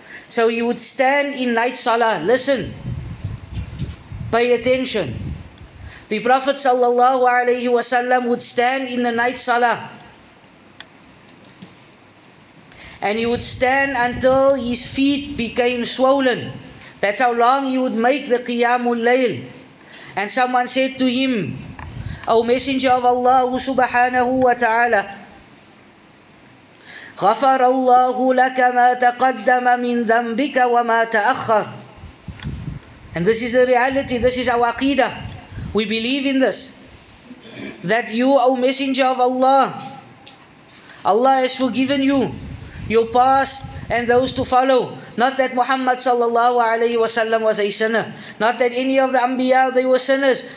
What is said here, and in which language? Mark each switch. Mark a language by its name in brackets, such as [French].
[English] So he would stand in night salah, listen, pay attention, the Prophet sallallahu alaihi wasallam would stand in the night salah, and he would stand until his feet became swollen. That's how long he would make the Qiyamul Layl. And someone said to him, O Messenger of Allah subhanahu wa ta'ala, [Arabic] غفر الله لك ما تقدم من ذنبك وما تأخر. [English] And this is the reality, this is our aqeedah. We believe in this. That you, O Messenger of Allah, Allah has forgiven you, your past and those to follow. Not that Muhammad sallallahu alayhi wa sallam was a sinner. Not that any of the Anbiya, they were sinners.